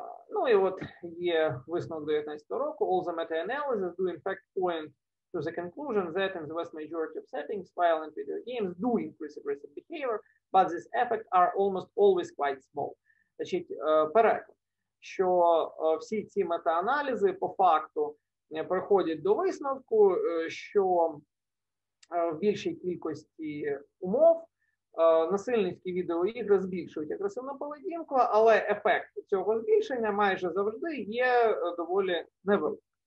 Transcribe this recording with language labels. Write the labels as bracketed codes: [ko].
[uk] Ну і от є висновок 19-го року. [en] All the meta-analysis do in fact point to the conclusion that in the vast majority of settings, violent video games do increase aggressive behavior, but this effect are almost always quite small. [uk] Значить, переклад, що всі ці метааналізи по факту приходять до висновку, що в більшій кількості умов насильницькі відеоігри збільшують агресивну поведінку, але ефект цього збільшення майже завжди є доволі невеликим.